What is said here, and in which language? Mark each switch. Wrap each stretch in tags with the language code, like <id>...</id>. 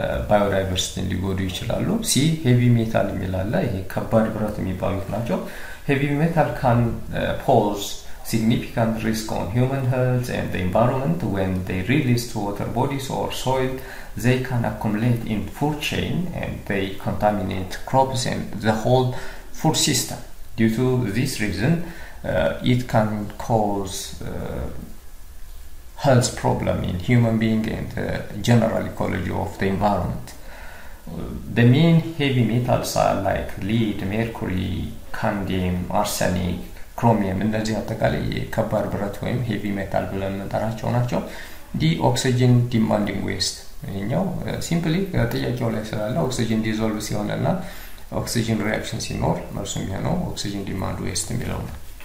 <am>ባዮዳይቨርሲቲን ሊጎዱ ይችላሉ። ሲ ሄቪ ሜታል የሚላለ፣ ይሄ ከባድ ብረት የሚባሉት ናቸው።</am> <en>Heavy metal can pose significant risk on human health and the environment when they release to water bodies or soil. They can accumulate in food chain and they contaminate crops and the whole food system. Due to this reason, it can cause health problem in human being and the general ecology of the environment. The main heavy metals are like lead, mercury,</en> <am>ካንዲየም፣ አርሰኒክ፣ ክሮሚየም እነዚህ አጠቃላይ ከባድ ብረት ወይም ሄቪ ሜታል ብለን እንጠራቸው ናቸው። ዲ ኦክሲጅን ዲማንዲንግ ዌስት ይሄኛው ሲምፕሊ ጥያቄው ላይ ስላለ ኦክሲጅን ዲዞልቭ ሲሆንና ኦክሲጅን ሪአክሽን ሲኖር መልሱ የሚሆነው ኦክሲጅን ዲማንድ ዌስት የሚለው ነው።</am>